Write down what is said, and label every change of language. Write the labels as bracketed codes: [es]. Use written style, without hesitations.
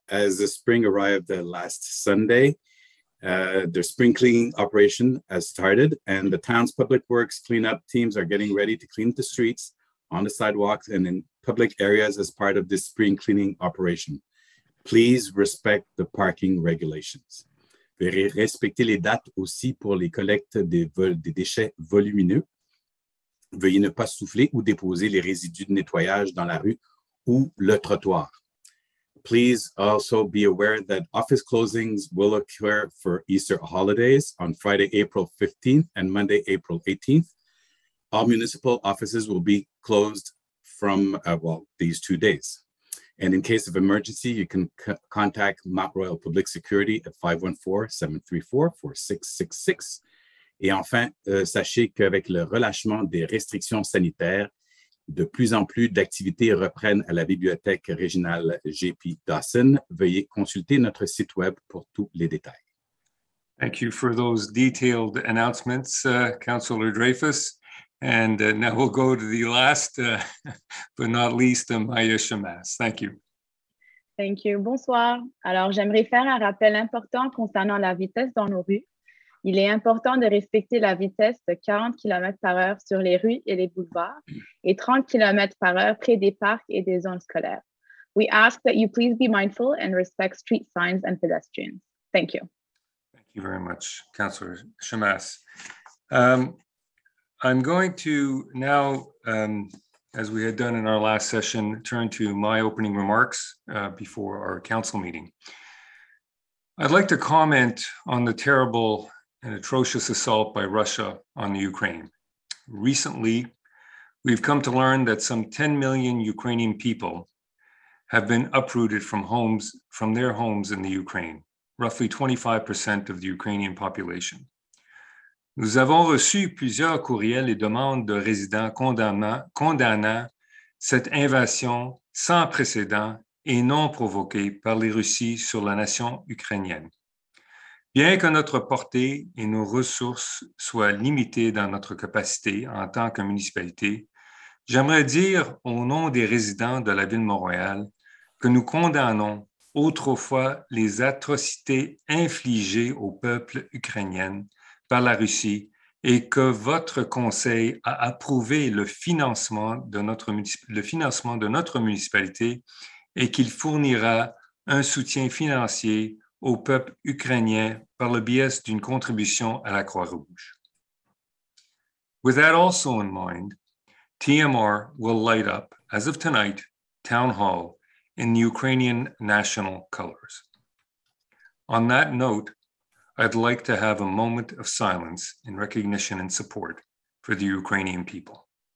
[en] As the spring arrived last Sunday, the spring cleaning operation has started, and the town's public works cleanup teams are getting ready to clean the streets, on the sidewalks, and in public areas as part of this spring cleaning operation. Please respect the parking regulations. [fr] Veuillez respecter les dates aussi pour les collectes des déchets volumineux. Veuillez ne pas souffler ou déposer les résidus de nettoyage dans la rue ou le trottoir. [en] Please also be aware that office closings will occur for Easter holidays on Friday, April 15th and Monday, April 18th. All municipal offices will be closed from, these 2 days. And in case of emergency, you can contact Mount Royal Public Security at 514-734-4666. [fr] Et enfin, sachez qu'avec le relâchement des restrictions sanitaires, de plus en plus d'activités reprennent à la bibliothèque régionale J.P. Dawson. Veuillez consulter notre site web pour tous les détails. [en] Thank you for those detailed announcements, Councillor Dreyfus. And now we'll go to the last, but not least, Maya Chamas. Thank you. Thank you. [fr] Bonsoir. Alors, j'aimerais faire un rappel important concernant la vitesse dans nos rues. Il est important de respecter la vitesse de 40 km par heure sur les rues et les boulevards et 30 km par heure près des parcs et des zones scolaires. [en] We ask that you please be mindful and respect street signs and pedestrians. Thank you. Thank you very much, Councillor Chamas. I'm going to now, as we had done in our last session, turn to my opening remarks before our council meeting. I'd like to comment on the terrible an atrocious assault by Russia on the Ukraine. Recently, we've come to learn that some 10 million Ukrainian people have been uprooted from their homes in the Ukraine, roughly 25% of the Ukrainian population. [fr] Nous avons reçu plusieurs courriels et demandes de résidents condamnant cette invasion sans précédent et non provoquée par les Russes sur la nation ukrainienne. Bien que notre portée et nos ressources soient limitées dans notre capacité en tant que municipalité, j'aimerais dire au nom des résidents de la ville de Montréal que nous condamnons autrefois les atrocités infligées au peuple ukrainien par la Russie et que votre conseil a approuvé le financement de notre municipalité et qu'il fournira un soutien financier au peuple ukrainien par le biais d'une contribution à la Croix-Rouge. [en] With that also in mind, TMR will light up, as of tonight, Town Hall in the Ukrainian national colors. On that note, I'd like to have a moment of silence in recognition and support for the Ukrainian people.